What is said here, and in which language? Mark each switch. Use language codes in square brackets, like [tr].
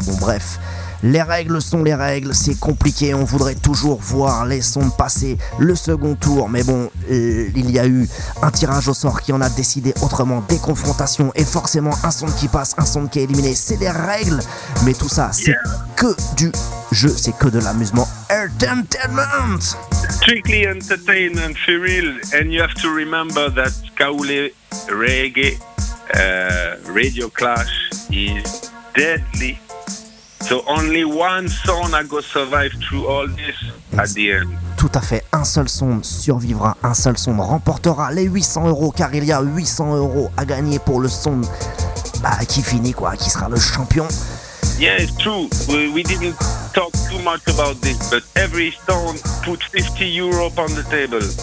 [fr] Bon, bref, les règles sont les règles. C'est compliqué, on voudrait toujours voir les sons passer le second tour. Mais bon, il y a eu un tirage au sort qui en a décidé autrement. Des confrontations et forcément un son qui passe, un son qui est éliminé. C'est les règles, mais tout ça, c'est que du jeu, c'est que de l'amusement. [en] Entertainment. Strictly entertainment, for real. And you have to remember that Kaoulé Reggae Radio Clash is deadly. So only one song I go survive through all this at the end. [fr] Tout à fait, un seul son survivra, un seul son remportera les 800 euros, car il y a 800 euros à gagner pour le son qui finit, quoi, qui sera le champion. [en] Yeah, it's true. We didn't talk too much about this, but every stone put 50 euros on the table.